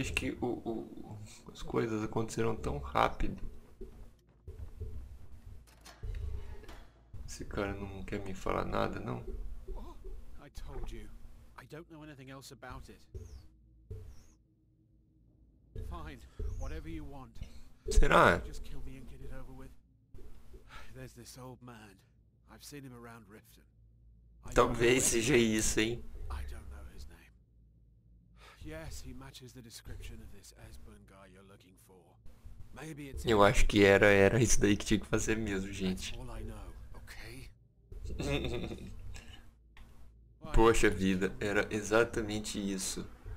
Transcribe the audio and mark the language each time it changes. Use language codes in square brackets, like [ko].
[pt] Acho que as coisas aconteceram tão rápido. Esse cara não quer me falar nada, não? Eu te disse. Eu não sei nada mais sobre isso. [en] Fine, whatever you want. [pt] Será? [en] Just kill me and get it over with. There's this old man. I've seen him around Riften. [pt] Talvez seja isso, hein? [en] I don't know his name. Yes, he matches the description of this Esbern guy you're looking for. Maybe it's. [pt] Eu acho que era isso daí que tinha que fazer mesmo, gente. [en] That's all I know, okay? [pt] Poxa vida, era exatamente isso.